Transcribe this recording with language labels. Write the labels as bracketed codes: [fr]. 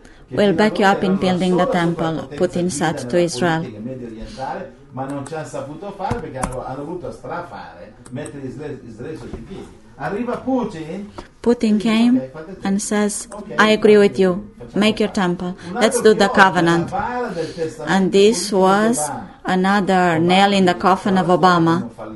[en] We'll back you up in building the temple, Putin said to Israel. [it] ma non ci ha saputo fare perché ha dovuto strafare, mettere Israele in piedi. Arriva Putin. [en] Putin came and says, I agree with you, make your temple, let's do the covenant. And this was another nail in the coffin of Obama.